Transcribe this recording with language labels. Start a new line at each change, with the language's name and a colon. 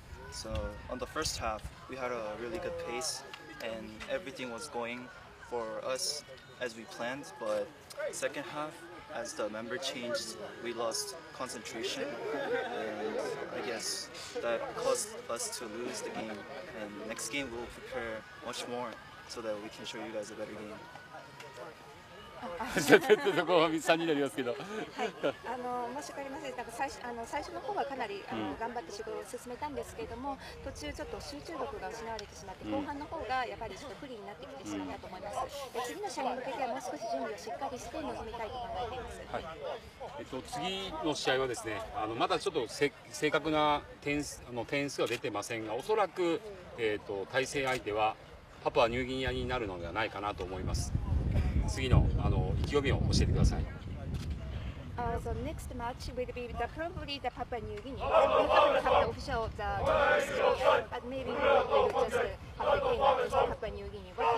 English: So on the first half, we had a really good pace and everything was going for us as we planned, but second half,As the member changed, we lost concentration, and I guess that caused us to lose the game. And next game, we'll prepare much more so that we can show you guys a better game.
Japanese: そこは3人になりますけど、はい、申し訳ありません。最初の方はかなり頑張って仕事を進めたんですけれども、途中ちょっと集中力が失われてしまって、後半の方がやっぱりちょっと不利になってきてしまったと思います。次の試合に向けてはもう少し準備をしっかりして臨みたいと考えています。はい、次の試合はですね、まだちょっと正確な点数は出てませんが、おそらく、対戦相手はパプアニューギニアになるのではないかなと思います。次の意気込みを教えてください。
English: So next match will be the probably the Papua New Guinea. We haven't had the official the discussion, but maybe we will just have the game against Papua New Guinea.